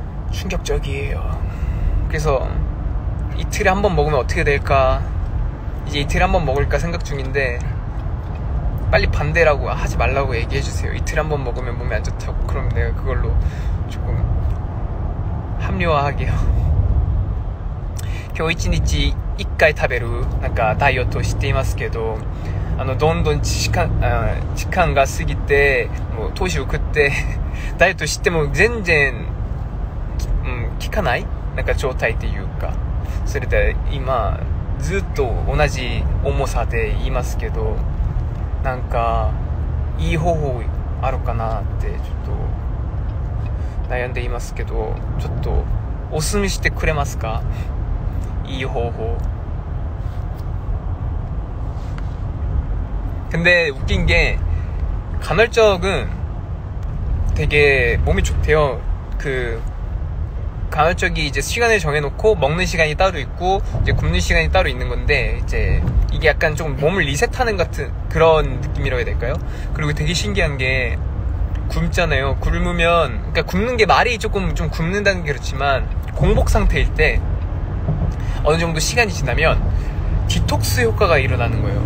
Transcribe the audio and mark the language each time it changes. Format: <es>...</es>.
<ko>충격적이에요. 그래서 이틀에 한 번 먹으면 어떻게 될까, 이제 이틀에 한 번 먹을까 생각 중인데 빨리 반대라고 하지 말라고 얘기해주세요. 이틀에 한 번 먹으면 몸에 안 좋다고. 그럼 내가 그걸로 조금 합리화하게요.</ko> <ja>今日一日 1回 食べる なんか ダイエット していますけど どんどん 時間が 過ぎて もう年を 食って ダイエット しても 全然 効かない なんか 状態っていうか それで 今 ずっと 同じ 重さで 言いますけど なんか いい方法 あるかな って ちょっと 悩んでいますけど ちょっと お勧めしてくれますか いい方法</ja> <ko>근데 웃긴 게 간헐적은 되게 몸이 좋대요. 그 간헐적이 이제 시간을 정해놓고 먹는 시간이 따로 있고 이제 굶는 시간이 따로 있는 건데 이제 이게 약간 좀 몸을 리셋하는 같은 그런 느낌이라고 해야 될까요? 그리고 되게 신기한 게 굶잖아요. 굶으면, 그러니까 굶는 게 말이 조금 좀 굶는다는 게 그렇지만 공복 상태일 때 어느 정도 시간이 지나면 디톡스 효과가 일어나는 거예요.</ko>